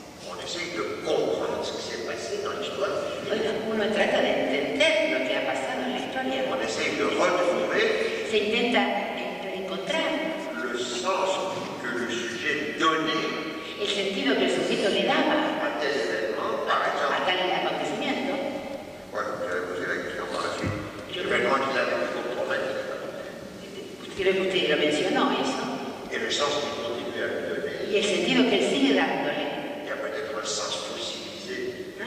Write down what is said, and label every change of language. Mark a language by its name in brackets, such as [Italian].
[French] on essaye de comprendre ce qui s'est passé dans l'histoire. [Spanish] Uno trata de entender lo que ha pasado en la historia. [French] On essaye de retrouver. [Spanish] Se intenta encontrar. [French] Le sens que le sujet donnait. [Spanish] El sentido que el sujeto le daba. [French] A tel événement, par exemple. [Spanish] A tal acontecimiento. [French] Bueno, vous avez posé la question par la suite. L'événement qu'il avait pu comprendre. [Spanish] Creo que usted lo mencionó, eso. [French] Et le sens qu'il continue à lui donner. [Spanish] Y el sentido que él sigue dándole. [French] Il y a peut-être un sens fossilisé.